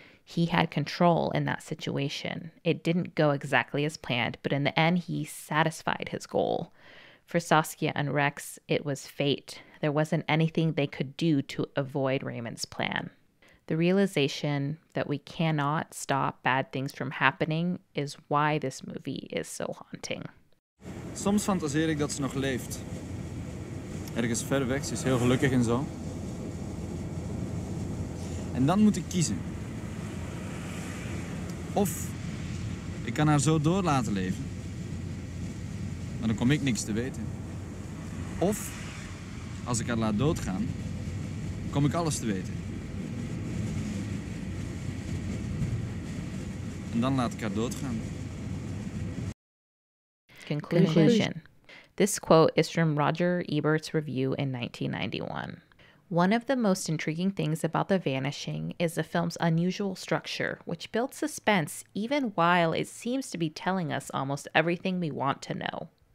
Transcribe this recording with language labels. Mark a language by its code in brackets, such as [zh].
[en] He had control in that situation. It didn't go exactly as planned, but in the end, he satisfied his goal. For Saskia and Rex, it was fate. There wasn't anything they could do to avoid Raymond's plan. The realization that we cannot stop bad things from happening is why this movie is so haunting. [nl] Soms fantaseer ik dat ze nog leeft. Ergens ver weg, ze is heel gelukkig en zo. En dan moet ik kiezen. Of ik kan haar zo door laten leven. Maar dan kom ik niks te weten. Of als ik haar laat doodgaan, kom ik alles te weten. En dan laat ik haar doodgaan. [en] Conclusion. This quote is from Roger Ebert's review in 1991. One of the most intriguing things about The Vanishing is the film's unusual structure, which builds suspense even while it seems to be telling us almost everything we want to know.